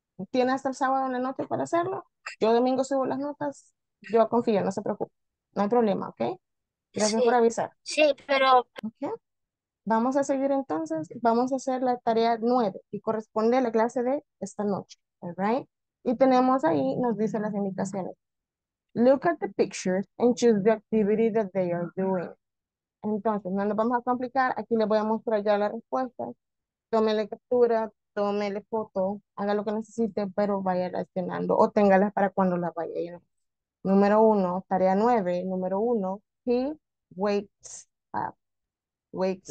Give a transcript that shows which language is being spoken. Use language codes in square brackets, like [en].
[es] Tiene hasta el sábado en la noche para hacerlo. Yo domingo subo las notas. Yo confío, no se preocupe. No hay problema, ¿ok? Gracias por sí, avisar. pero ¿Okay? Vamos a seguir entonces. Vamos a hacer la tarea 9 y corresponde a la clase de esta noche. [en] All right? [es] Y tenemos ahí, nos dicen las indicaciones. [en] Look at the pictures and choose the activity that they are doing. [es] Entonces, no nos vamos a complicar. Aquí les voy a mostrar ya la respuesta. Tómele captura, tómele foto, haga lo que necesite, pero vaya reaccionando o téngalas para cuando las vaya llenando. Número uno, tarea 9, número uno, [en] he wakes up. Wakes